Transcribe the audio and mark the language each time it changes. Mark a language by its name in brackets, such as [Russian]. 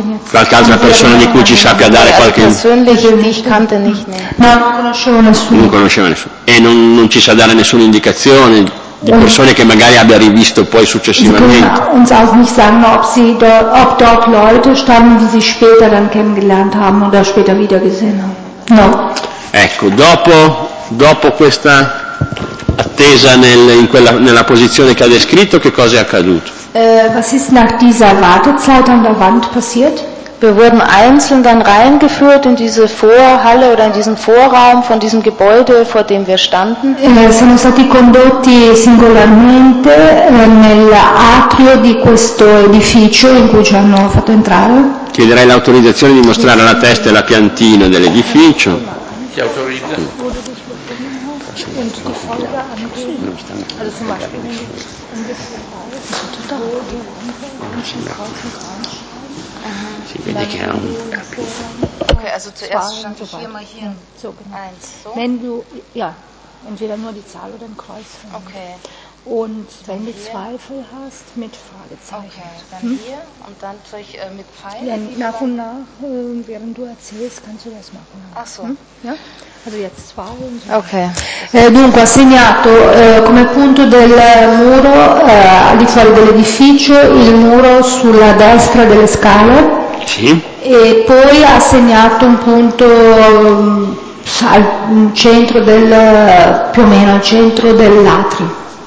[Italian] Qualche altra persona di cui ci sappia dare qualche indicazione? Non conosceva nessuno. E non ci sa dare nessuna indicazione di persone che magari abbia rivisto poi successivamente? Non sa [German] nicht sagen, ob dort Leute standen, die sie später dann kennengelernt haben oder später wieder gesehen haben. [Italian] No. Ecco, dopo questa attesa nella posizione che ha descritto, che cosa è accaduto? [German] Was ist nach dieser Wartezeit an der Wand passiert? Wir wurden einzeln dann reingeführt in diese Vorhalle oder in diesen Vorraum von diesem Gebäude, vor dem wir standen. [Italian] Siamo stati condotti singolarmente nell'atrio di questo edificio in cui ci hanno fatto entrare. Chiederei l'autorizzazione di mostrare la testa e la piantina dell'edificio. Si autorizza. [German] Okay, also zuerst stand ich hier mal hier. So, genau. Eins, so. Wenn du, ja, entweder nur die Zahl oder ein Kreuz. Okay. Und wenn du Zweifel hast, mit Fragezeichen. Okay, dann hier und dann soll ich mit Pfeil. Ja, nach und nach, während du erzählst, kannst du das machen. Ach so. Ja? Also jetzt zwei. Und okay. [Italian] Dunque, ha segnato come punto del muro, al di fuori dell'edificio, il muro sulla destra delle scale. Sì. E poi ha segnato un punto al centro del, più o meno al centro dell'atrio.